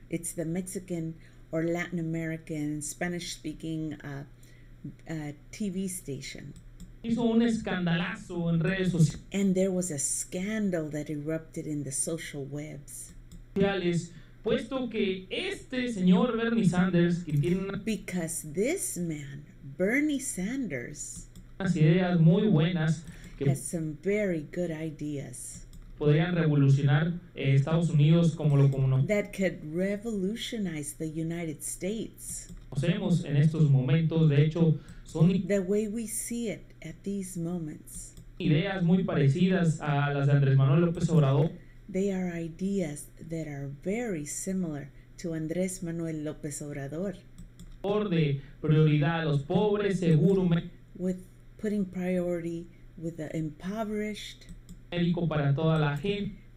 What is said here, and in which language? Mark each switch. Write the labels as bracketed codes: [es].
[en] It's the Mexican or Latin American Spanish-speaking TV station. [es] Hizo un escandalazo en redes sociales. [en] And there was a scandal that erupted in the social webs. [es] Sociales. Puesto que este señor Bernie Sanders, que tiene una... [en] Because this man, Bernie Sanders, [es] unas ideas muy buenas, que [en] has some very good ideas, [es] podrían revolucionar Estados Unidos como lo conocemos. [en] That could revolutionize the United States. [es] Conocemos en estos momentos, de hecho, son... [en] The way we see it at these moments. [es] Ideas muy parecidas a las de Andrés Manuel López Obrador. [en] They are ideas that are very similar to Andrés Manuel López Obrador. [es] Orden, prioridad a los pobres, seguro. [en] With putting priority with the impoverished. [es] Médico para toda la gente.